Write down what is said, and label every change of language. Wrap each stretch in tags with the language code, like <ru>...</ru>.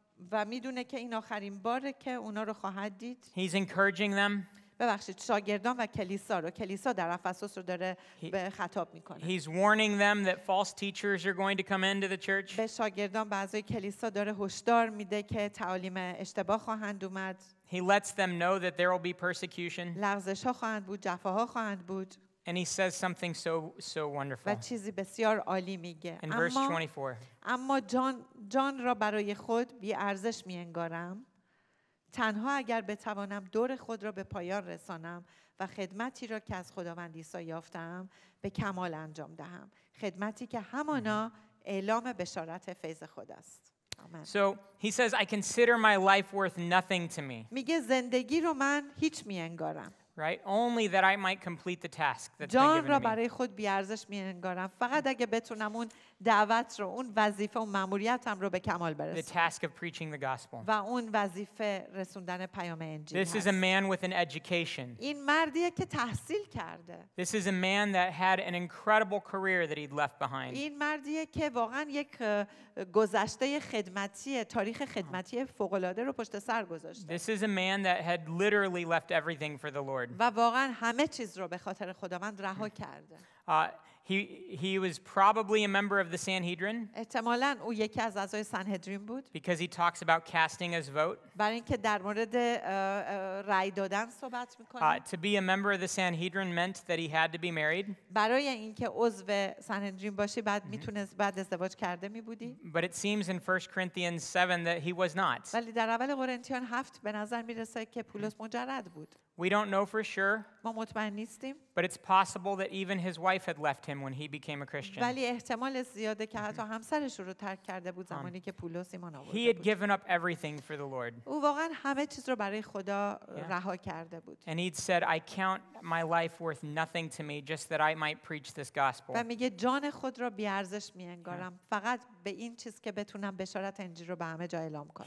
<fa>و میدونه که این آخرین باره که اونا رو خواهد دید.</fa> <en>He's encouraging them.</en> <fa>ببخشید شاگردان و کلیسا رو کلیسا در افسوس رو داره به خطاب میکنه.</fa> <en>He's warning them that false teachers are going to come into the church.</en> <fa>به شاگردان بعضی کلیسا داره هشدار میده که تعالیم اشتباه خواهند اومد.</fa> <en>He lets them know that there will be persecution.</en> <fa>لغزش ها خواهند بود، جفاها خواهند بود.</fa> <en>And he says something so wonderful.</en> <fa>و چیزی بسیار عالی میگه.</fa> <en>In verse 24.</en> <fa>اما جان را برای خود بی ارزش می انگارم. تنها اگر بتوانم دور خود را به پایان رسانم و خدمتی را که از خداوند عیسی یافتم به کمال انجام دهم. خدمتی که همانا اعلام بشارت فیض خداست. آمین.</fa> <en>So he says I consider my life worth nothing to me.</en> <fa>میگه زندگی رو من هیچ می انگارم.</fa> <en>Right, only that I might complete the task that's been given to me.</en> <fa>جان را برای خود بی ارزش می انگارم. فقط اگه بتونم اون دعوت رو، اون وظیفه و ماموریتم رو به کمال برسونم.</fa> <en>The task of preaching the gospel.</en> <fa>و اون وظیفه رسوندن پیام انجیل.</fa> <en>This is a man with an education.</en> <fa>این مردیه که تحصیل کرده.</fa> <en>This is a man that had an incredible career that he'd left behind.</en> <fa>این مردیه که واقعا یک گذشته خدمتی، تاریخ خدمتی فوق‌العاده رو پشت سر گذاشته.</fa> <en>This is a man that had literally left everything for the Lord.</en> <fa>و واقعا همه چیز رو به خاطر خداوند رها کرده.</fa> <en>He was probably a member of the Sanhedrin.</en> <fa>احتمالاً او یکی از اعضای سنهدرین بود.</fa> <en>Because he talks about casting his vote.</en> <fa>برای اینکه در مورد رأی دادن صحبت می‌کنه.</fa> <en>To be a member of the Sanhedrin meant that he had to be married.</en> <fa>برای اینکه عضو سنهدرین باشی بعد می‌تونست بعد ازدواج کرده می‌بودی.</fa> <en>But it seems in 1 Corinthians 7 that he was not.</en> <fa>ولی در اول قرنتیان 7 به نظر می‌رسه که پولس مجرد بود.</fa> <en>We don't know for sure.</en> <fa>ما مطمئن نیستیم.</fa> <en>But it's possible that even his wife had left him when he became a Christian.</en> <fa>ولی احتمال زیاده که حتی همسرش رو ترک کرده بود زمانی که پولس ایمان آورده بود.</fa> <en>He had given up everything for the Lord.</en> <fa>او واقعا همه چیز رو برای خدا رها کرده بود.</fa> <en>And he'd said, "I count my life worth nothing to me, just that I might preach this gospel."</en> <fa>و میگه جان خود رو بی ارزش میانگارم فقط به این چیز که بتونم بشارت انجیل رو به همه جا اعلام کنم.</fa>